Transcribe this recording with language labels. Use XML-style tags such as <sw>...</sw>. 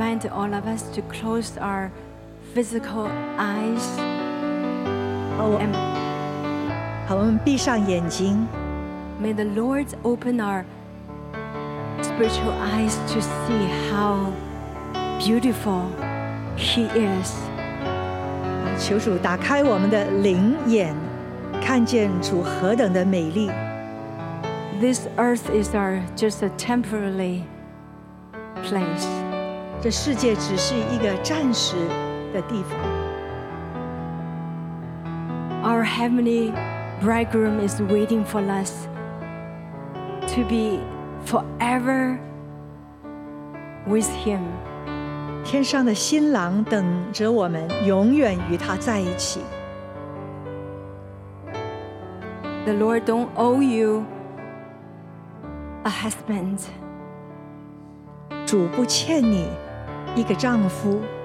<en>All of us to close our physical eyes. May the Lord open our spiritual eyes to see how beautiful He is.</en> <zh>求主打开我们的灵眼，看见主何等的美丽。</zh> <en>This earth is our just a temporary place.</en> <zh>这世界只是一个暂时的地方。</zh> <en>Our heavenly bridegroom is waiting for us to be forever with him.</en> <zh>天上的新郎等着我们永远与他在一起。</zh> <en>The Lord don't owe you a husband.</en> <zh>主不欠你一个丈夫</zh>